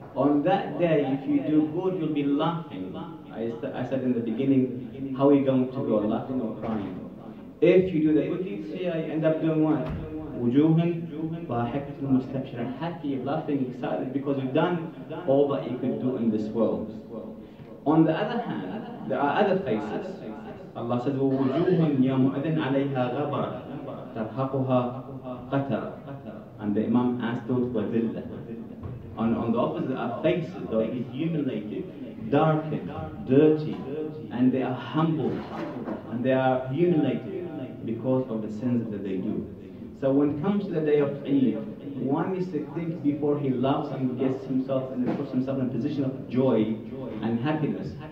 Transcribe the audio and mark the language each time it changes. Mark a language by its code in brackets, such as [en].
[en] On that day, if you do good, you'll be laughing. I said in the beginning, how are you going to go, laughing or crying? If you do the good deeds, say I end up doing what? [ar] وَجُوهٌ ضَاحِكَةٌ مُسْتَبْشِرَةٌ. [en] Happy, laughing, excited, because you've done all that you could do in this world. On the other hand, there are other faces. Allah says, [ar] وَوُجُوهٌ يَوْمَئِذٍ عَلَيْهَا غَبَرَةٌ تَرْهَقُهَا قَتَرَةٌ. [en] And the Imam asked those who are dhillah. On the opposite are faces that are humiliated, darkened, dirty, and they are humbled, and they are humiliated because of the sins that they do. So when it comes to the day of Eid, one is to think before he laughs and gets himself and puts himself in a position of joy and happiness.